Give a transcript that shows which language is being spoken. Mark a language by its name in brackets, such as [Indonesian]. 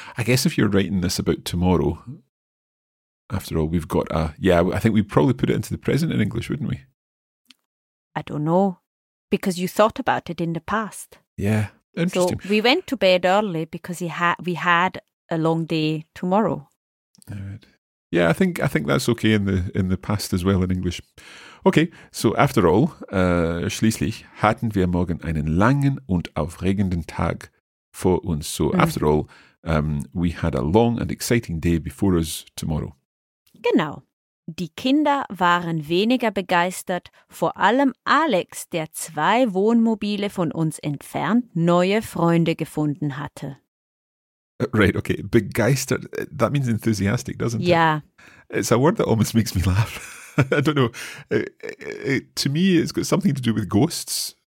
[English] I guess if you're writing this about tomorrow, after all, we've got a... Yeah, I think we'd probably put it into the present in English, wouldn't we? I don't know, because you thought about it in the past. Yeah, interesting. So we went to bed early because we had a long day tomorrow. All right. Yeah, I think that's okay in the past as well in English. Okay, so after all, [German] schließlich hatten wir morgen einen langen und aufregenden Tag vor uns. [English] So after all, we had a long and exciting day before us tomorrow. [German] Genau. Die Kinder waren weniger begeistert, vor allem Alex, der zwei Wohnmobile von uns entfernt neue Freunde gefunden hatte. [English] Right, okay. Begeistert, that means enthusiastic, doesn't yeah. it? Yeah. It's a word that almost makes me laugh. I don't know. To me, it's got something to do with ghosts.